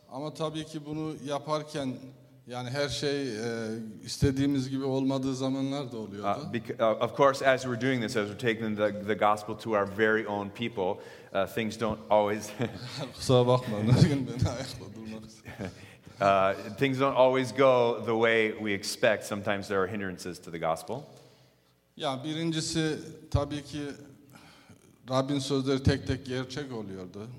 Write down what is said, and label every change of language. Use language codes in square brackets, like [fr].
[tr] Ama tabii ki bunu yaparken yani her şey istediğimiz gibi olmadığı zamanlar da oluyordu. [en] Of course, as we're doing this, as we're taking the gospel to our very own people, things don't always. [tr] Kusura bakma, nasıl beni ayakla durmak istiyorsun? [en] Things don't always go the way we expect. Sometimes there are hindrances to the gospel. [tr] Ya birincisi tabii ki Rabbin sözleri tek tek gerçek oluyordu.